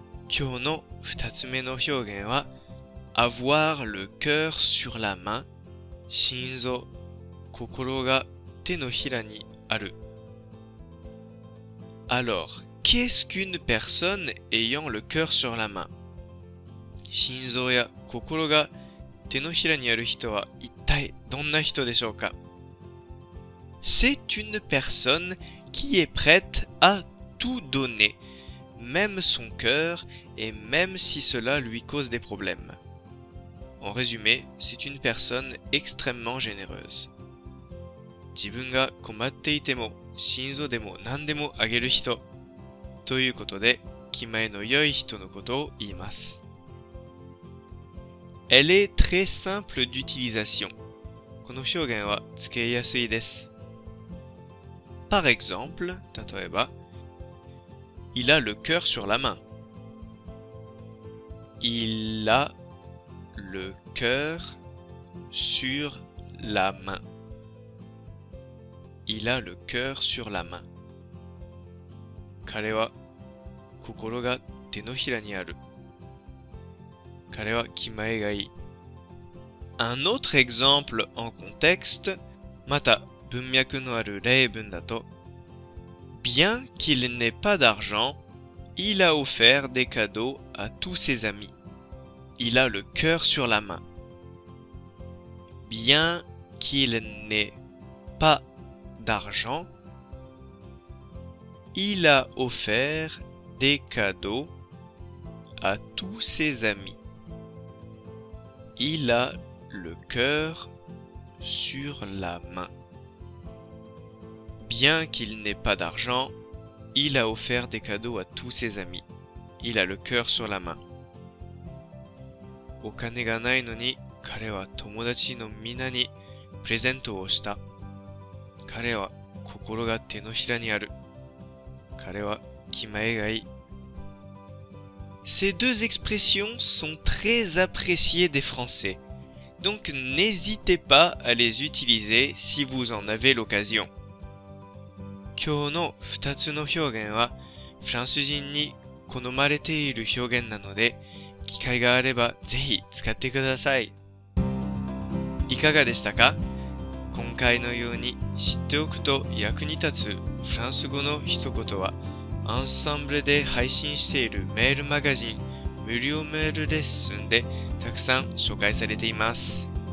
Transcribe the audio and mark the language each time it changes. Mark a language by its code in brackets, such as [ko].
[ja] 今日の二つ目の表現は [fr] Avoir le cœur sur la main. [ja] 心臓、心が手のひらにある。 [fr] Alors, qu'est-ce qu'une personne ayant le cœur sur la main? [ja] 心臓や心が手のひらにある人は一体どんな人でしょうか? [fr] C'est une personne qui est prête à tout donner, même son cœur et même si cela lui cause des problèmes. En résumé, c'est une personne extrêmement généreuse. [ja] 自分が困っていても、心臓でも何でもあげる人。ということで、気前の良い人のことを言います。 [fr] Elle est très simple d'utilisation. [ja] この表現は使いやすいです。 [fr] Par exemple, [ja] 例えば、 [fr] Il a le cœur sur la main. Il aLe cœur sur la main. Il a le cœur sur la main. [ja] 彼は心が手のひらにある。彼は気前がいい。 [fr] Un autre exemple en contexte. [ja] また文脈のある例文だと。 [fr] Bien qu'il n'ait pas d'argent, il a offert des cadeaux à tous ses amis. Il a le cœur sur la main. Bien qu'il n'ait pas d'argent, il a offert des cadeaux à tous ses amis. Il a le cœur sur la main. Bien qu'il n'ait pas d'argent, il a offert des cadeaux à tous ses amis. Il a le cœur sur la main. [ja] お金がないのに彼は友達のみんなにプレゼントをした。彼は心が手のひらにある。彼は気前がいい。 [fr] Ces deux expressions sont très appréciées des Français. Donc n'hésitez pas à les utiliser si vous en avez l'occasion. [ja] 今日の2つの表現はフランス人に好まれている表現なので、機会があればぜひ使ってください。いかがでしたか？今回のように知っておくと役に立つフランス語の一言は、アンサンブルで配信しているメールマガジン無料メールレッスンでたくさん紹介されています。